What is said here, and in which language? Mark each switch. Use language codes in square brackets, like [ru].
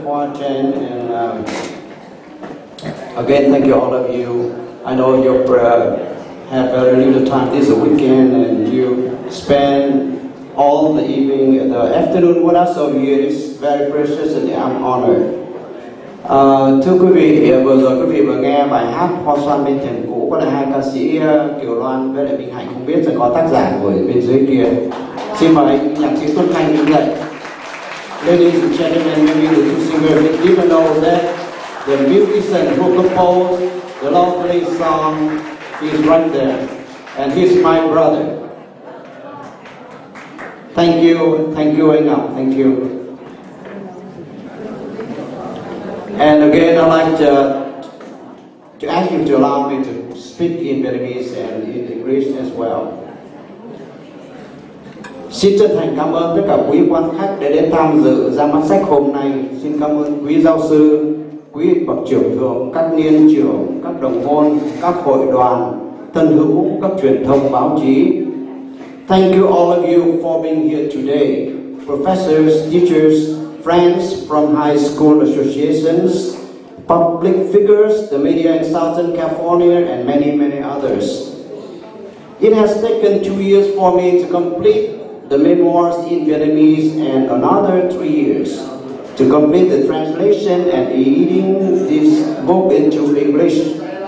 [en] Hua Chen, and again, thank you all of you. I know you have very little time this weekend, and you spend all the evening, the afternoon with us, so it is very precious, and I'm honored. [vi] Thưa quý vị, vừa rồi quý vị vừa nghe bài hát Hoa Xoan Bên Thềm Cũ của là hai ca sĩ Kiều Loan với lại Bình Hạnh, không biết rằng có tác giả ngồi bên dưới kia. Xin mời nhạc sĩ Xuân Thanh đứng dậy. [en] Ladies and gentlemen, we need to sing with it, even though that the musician who composed the lovely song is right there, and he's my brother. Thank you, anh Ngọc, thank you. And again, I'd like to ask you to allow me to speak in Vietnamese and in English as well. [vi] Xin chân thành cảm ơn tất cả quý quan khách đã đến tham dự ra mắt sách hôm nay. Xin cảm ơn quý giáo sư, quý bậc trưởng thượng, các niên trưởng, các đồng môn, các hội đoàn, thân hữu, các truyền thông, báo chí. [en] Thank you all of you for being here today, professors, teachers, friends from high school associations, public figures, the media in Southern California, and many, many others. It has taken 2 years for me to complete the memoirs in Vietnamese and another 3 years to complete the translation and editing this book into English.